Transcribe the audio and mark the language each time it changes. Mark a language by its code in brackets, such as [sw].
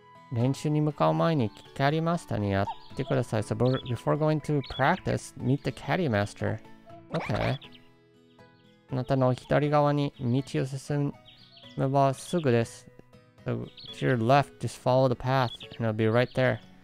[ja] 練習に向かう前にキャリーマスターにやってください。 [en] So before going to practice, meet the caddy master. Okay. [ja] あなたの左側に道を進めばすぐです。 [en] So to your left, just follow the path and it'll be right there.